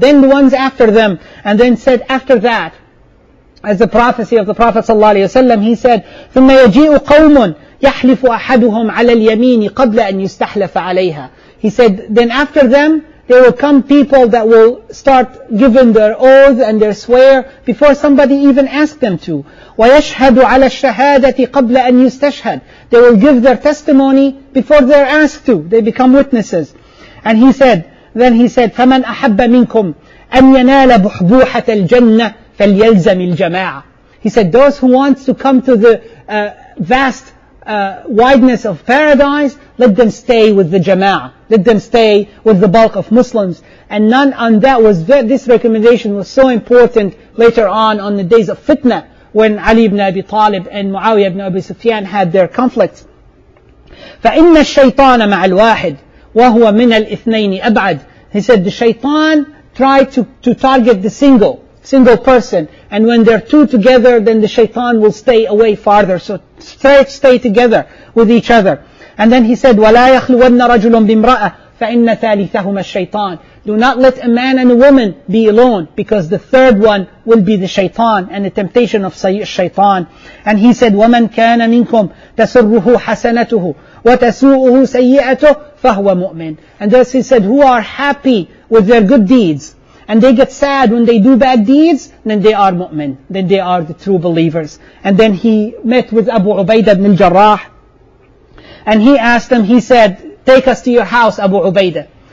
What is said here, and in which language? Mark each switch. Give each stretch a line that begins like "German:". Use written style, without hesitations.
English: Then the ones after them, and then said, after that, as the prophecy of the Prophet sallallahu alayhi wa sallam, he said,
Arabic: ثُمَّ يَجِئُ قَوْمٌ يَحْلِفُ أَحَدُهُمْ عَلَى الْيَمِينِ قَبْلَ أَنْ يُسْتَحْلَفَ عَلَيْهَا.
English: He said, then after them, there will come people that will start giving their oath and their swear before somebody even asked them to.
Arabic: وَيَشْهَدُ عَلَى الشَّهَادَةِ قَبْلَ أَنْ يُسْتَشْهَدُ.
English: They will give their testimony before they're asked to. They become witnesses. And he said,
Arabic: فَمَنْ أَحَبَّ مِنْكُمْ أَنْ يَنَالَ بُحْبُوحَةَ الْجَنَّةِ فَلْيَلْزَمِ الْجَمَاعَةِ.
English: He said, those who want to come to the vast wideness of paradise, let them stay with the jama'ah. Let them stay with the bulk of Muslims. And none on that was, this recommendation was so important later on the days of fitna, when Ali ibn Abi Talib and Muawiyah ibn Abi Sufyan had their conflicts.
Arabic: فَإِنَّ الشَّيْطَانَ مَعَ الْوَاحِدِ وَهُوَ مِنَ الْإِثْنَيْنِ أَبْعَدِ.
English: He said, the shaitan tried to target the single person. And when they're two together, then the shaitan will stay away farther. So stay together with each other. And then he said,
Arabic: وَلَا يَخْلُوَنَّ رَجُلٌ بِمْرَأَةٍ فَإِنَّ ثَالِثَهُمَ الشَّيْطَانِ.
English: Do not let a man and a woman be alone, because the third one will be the shaitan and the temptation of shaitan. And he said,
Arabic: وَمَنْ كَانَ مِنْكُمْ تَسُرُّهُ حَسَنَتُهُ وَتَسُوءُهُ سَيِّئَتُهُ فَهُوَ مُؤْمِنٌ.
English: And thus he said, who are happy with their good deeds, and they get sad when they do bad deeds, then they are mu'min, then they are the true believers. And then he met with Abu Ubaidah ibn al-Jarrah, and he asked him, he said, take us to your house, Abu Ubaidah.